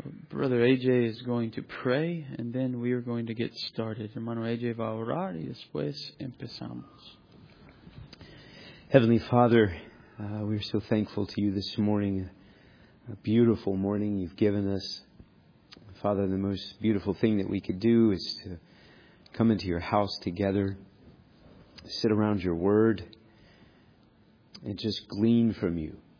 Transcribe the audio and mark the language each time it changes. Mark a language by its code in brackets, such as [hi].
[en] Brother AJ is going to pray, and then we are going to get started. [es] Hermano AJ va a orar, y después empezamos. [en] Heavenly Father, we are so thankful to you this morning. A beautiful morning you've given us. Father, the most beautiful thing that we could do is to come into your house together, sit around your word, and just glean from you.